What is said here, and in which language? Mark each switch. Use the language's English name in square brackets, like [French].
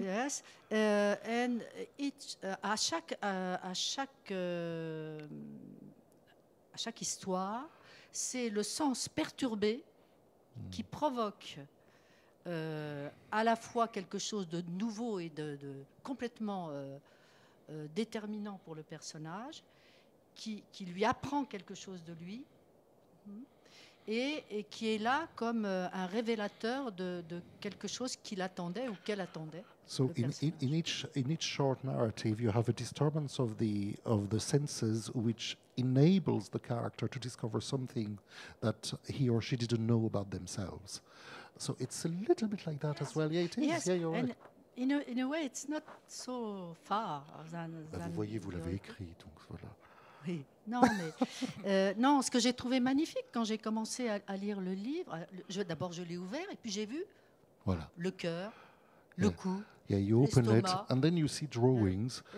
[French] Yes. [English] And each [French] à chaque histoire, c'est le sens perturbé qui provoque à la fois quelque chose de nouveau et de complètement déterminant pour le personnage. Qui lui apprend quelque chose de lui et qui est là comme un révélateur de quelque chose qu'il attendait ou qu'elle attendait. [English] So in each short narrative, you have a disturbance of the senses which enables the character to discover something that he or she didn't know about themselves. So it's a little bit like that as well. Yeah, it is. Yes. Yeah, you're and right. In a way, it's not so far. [French] Vous voyez, vous l'avez écrit, donc voilà. Oui. Non, mais non. Ce que j'ai trouvé magnifique quand j'ai commencé à lire le livre, d'abord je l'ai ouvert et puis j'ai vu le cœur, le cou, l'estomac. [English] You open it and then you see drawings.